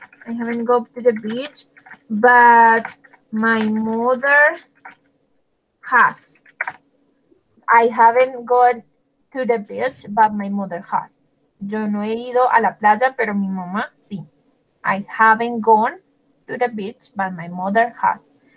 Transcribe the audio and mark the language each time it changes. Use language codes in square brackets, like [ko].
[en] I haven't gone to the beach, but my mother has. I haven't gone to the beach, but my mother has. [es] Yo no he ido a la playa, pero mi mamá sí. [en] I haven't gone to the beach, but my mother has.